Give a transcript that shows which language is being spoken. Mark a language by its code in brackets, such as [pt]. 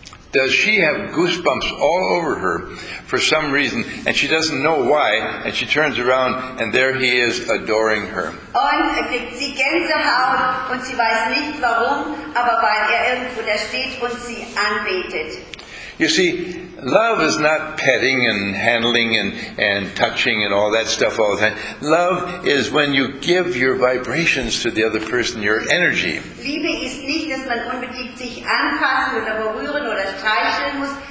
[en] Does she have goosebumps all over her for some reason, and she doesn't know why, and she turns around, and there he is adoring her? [de] Und kriegt sie Gänsehaut, und sie weiß nicht warum, aber weil er irgendwo da steht und sie anbetet. [en] You see, love is not petting and handling and touching and all that stuff all the time. Love is when you give your vibrations to the other person, your energy. [de] Liebe ist nicht, dass man unbedingt sich anfassen oder berühren oder streicheln muss.